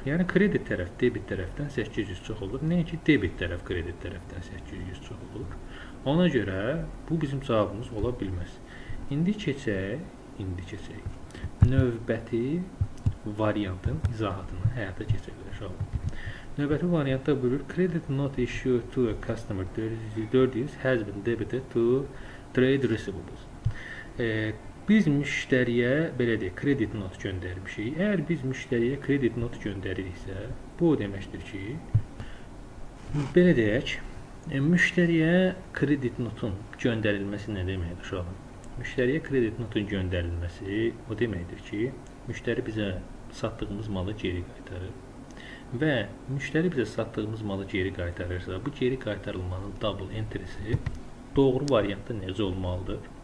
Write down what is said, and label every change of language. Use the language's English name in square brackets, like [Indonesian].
[Azerbaijani] Yəni, kredit tərəf debit tərəfdən 800 çox olur, nəyə ki, debit tərəf kredit tərəfdən 800 çox olur. Ona görə, bu bizim cavabımız ola bilməz. İndi keçək. Növbəti variantın izahatını həyata keçəkdir. Növbəti variantda buyurur, [English] credit not issued to a customer 400 has been debited to trade receivables. [Azerbaijani] Biz müştəriyə, belə deyək, credit not göndərmişik. Əgər biz müştəriyə credit not göndəririksə, bu o deməkdir ki, belə deyək, müştəriyə credit notun göndərilməsi nə deməkdir, uşaqım? Müştəriyə kredit notun göndərilməsi o deməkdir ki, müştəri bizə satdığımız malı geri qaytarır və müştəri bizə satdığımız malı geri qaytarırsa, bu geri qaytarılmanın double entry-si doğru variantda necə olmalıdır?